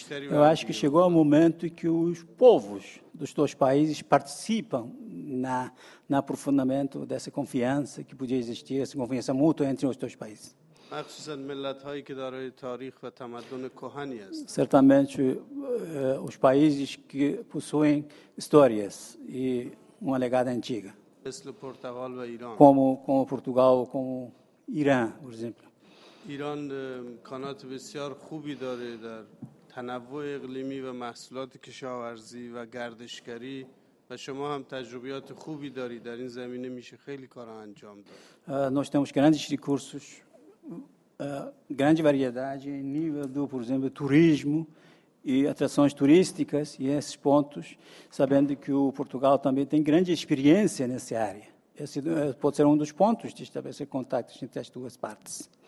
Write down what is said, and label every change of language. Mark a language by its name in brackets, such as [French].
[Portuguese] Eu acho que chegou o momento em que os povos dos dois países participam no aprofundamento dessa confiança que podia existir, essa confiança mútua entre os dois países. [Persian] مخصوصا ملت‌هایی که دارای تاریخ و تمدن کهنی هست. [Portuguese] Certamente os países que possuem histórias e uma legada antiga. [Persian] مثل پرتغال و ایران. [Portuguese] Como Portugal ou como Irã, por exemplo. [Persian] ایران امکانات بسیار خوبی داره در تنوع اقلیمی و محصولات کشاورزی و گردشگری. و شما هم تجربیات خوبی دارید در این زمینه، میشه خیلی کارا انجام داد. [Portuguese] Nós temos grandes recursos. Grande variedade em nível do, por exemplo, turismo e atrações turísticas e esses pontos, sabendo que o Portugal também tem grande experiência nessa área. Esse pode ser um dos pontos de estabelecer contactos entre as duas partes.